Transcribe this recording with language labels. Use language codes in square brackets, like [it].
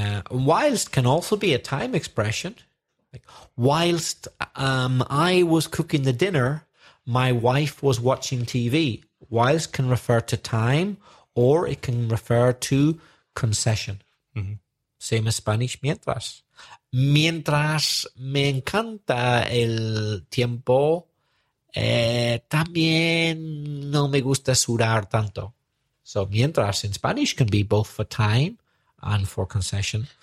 [en] Whilst can also be a time expression. Like, whilst I was cooking the dinner, my wife was watching TV. Whilst can refer to time or it can refer to concession. Mm-hmm. Same as Spanish, mientras. [es] Mientras me encanta el tiempo, también no me gusta sudar tanto. [en] So mientras in Spanish can be both for time and for concession.